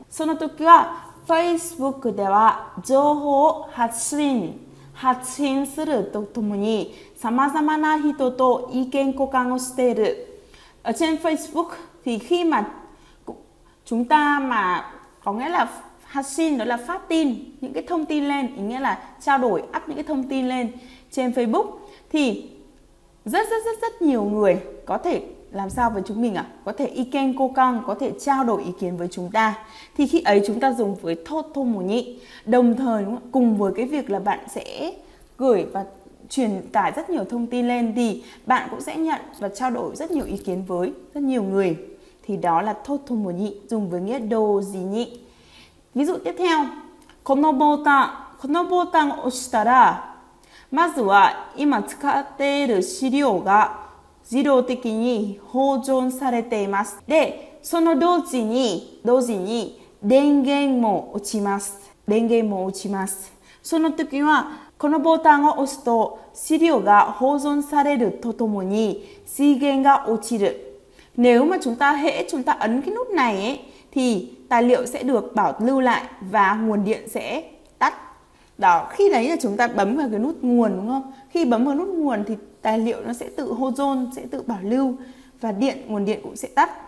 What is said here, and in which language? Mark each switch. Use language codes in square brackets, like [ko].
[ja] Sono toki wa Facebook では情報を発信するとともに様々な人と意見交換をしている。 [vi] Ở trên Facebook thì khi mà chúng ta mà có nghĩa là 発信 đó là phát tin những cái thông tin lên, ý nghĩa là trao đổi up những cái thông tin lên trên Facebook thì rất rất rất rất nhiều người có thể làm sao với chúng mình ạ? Có thể ikenko kan, có thể trao đổi ý kiến với chúng ta. Thì khi ấy chúng ta dùng với thoto mo ni, đồng thời cùng với cái việc là bạn sẽ gửi và truyền tải rất nhiều thông tin lên, thì bạn cũng sẽ nhận và trao đổi rất nhiều ý kiến với rất nhiều người. Thì đó là thoto mo ni, dùng với nghĩa doji ni. [ja] Ví dụ tiếp theo, このボタンを押したら、まずは今使っている資料が自動的に保存されています。で、その同時に電源も落ちます。電源も落ちます。その時はこのボタンを押すと資料が保存されるとともに水源が落ちる。 [vi] Nếu mà chúng ta hễ chúng ta ấn cái nút này ấy, thì tài liệu sẽ được bảo lưu lại và nguồn điện sẽ tắt. Đó, khi đấy là chúng ta bấm vào cái nút nguồn đúng không? Khi bấm vào nút nguồn thì tài liệu nó sẽ tự ozone, sẽ tự bảo lưu và điện, nguồn điện cũng sẽ tắt.